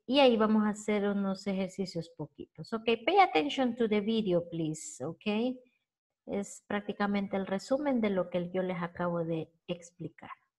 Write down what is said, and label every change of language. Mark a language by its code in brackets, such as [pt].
[es] Y ahí vamos a hacer unos ejercicios poquitos. [en] Okay, pay attention to the video, please, okay? [es] Es prácticamente el resumen de lo que yo les acabo de explicar.